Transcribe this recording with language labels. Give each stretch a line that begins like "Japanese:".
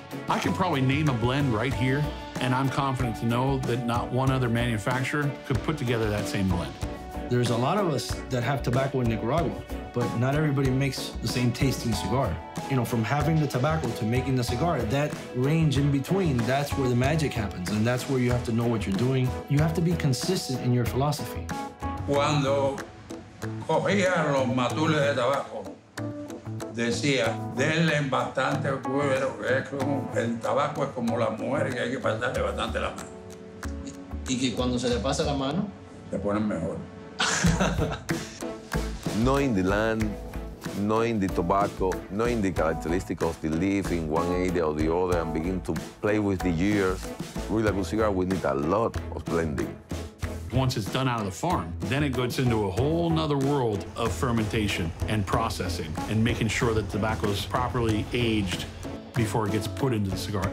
English: I can probably name a blend right here, and I'm confident to know that not one other manufacturer could put together that same blend. There's a lot of us that have tobacco in Nicaragua, but not everybody makes the same tasting cigar. You know, from having the tobacco to making the cigar, that range in between, that's where the magic happens, and that's where you have to know what you're doing. You have to be consistent in your philosophy.
Spanish: Cuando cogía los matules de tabaco, decía, denle bastante cuero, que es como, el tabaco es como la mujer, que hay que pasarle bastante la mano. Y que cuando se le pasa la mano, se ponen mejor.
English: Knowing the land, knowing the tobacco, knowing the characteristics of the leaf in one area or the other, and begin to play with the years. Really, a good cigar, we need a lot of blending. Once it's done out of the farm, then it goes into a whole nother world of fermentation and processing and making sure that tobacco is properly aged before it gets put into the cigar.